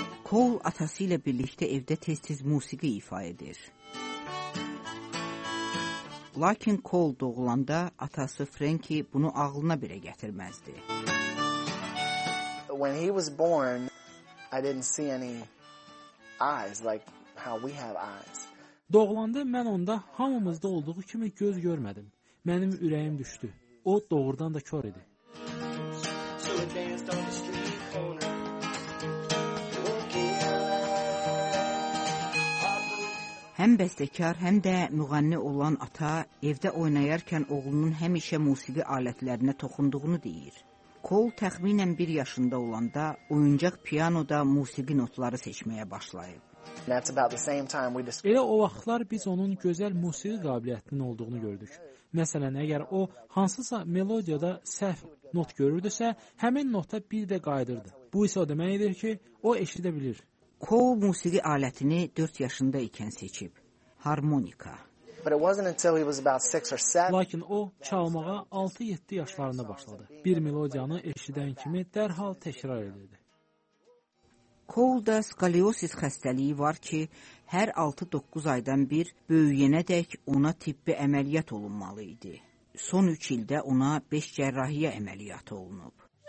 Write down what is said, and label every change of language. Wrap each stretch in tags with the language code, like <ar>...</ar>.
<az>Cole atası ilə birlikdə evdə tez-tez musiqi ifa edir. Lakin Cole doğulanda atası Frankie bunu ağlına belə gətirməzdi.</az> <en>When he was born, I didn't see any eyes like how we have eyes.</en> <az>Doğulanda mən onda hamımızda olduğu kimi göz görmədim. Mənim ürəyim düşdü. O doğrudan da kör idi. Həm bəstəkar, həm də müğənni olan ata evdə oynayarkən oğlunun həmişə musiqi alətlərinə toxunduğunu deyir. Cole təxminən 1 yaşında olanda oyuncaq pianoda musiqi notları seçməyə başlayıb. Elə o vaxtlar biz onun gözəl musiqi qabiliyyətinin olduğunu gördük. Məsələn, əgər o hansısa melodiyada səhv not görürdüsə, həmin nota bir də qayıdırdı. Bu isə o demək edir ki, o eşidə bilir. Cole musiqi alətini 4 yaşında ikən seçib. Harmonika.</az> <en>But it wasn't until he was about 6 or 7.</en> <az>Lakin o çalmağa 6-7 yaşlarında başladı. Bir melodiyanı eşidən kimi dərhal təkrar edirdi. Cole'da skoliosis xəstəliyi var ki, hər 6-9 aydan bir böyüyənədək ona tibbi əməliyyat olunmalı idi. Son 3 ildə ona 5 cərrahiyyə əməliyyatı olunub.</az>